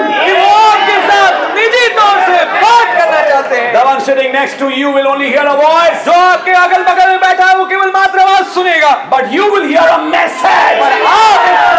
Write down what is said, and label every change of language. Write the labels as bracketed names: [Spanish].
[Hindi] कि वो आपके साथ निजी तौर से बात करना चाहते हैं. [English] The one sitting next to you will only hear a voice. [Hindi] जो आपके अगल बगल में बैठा है वो केवल मात्र आवाज सुनेगा. [English] But you will hear a message.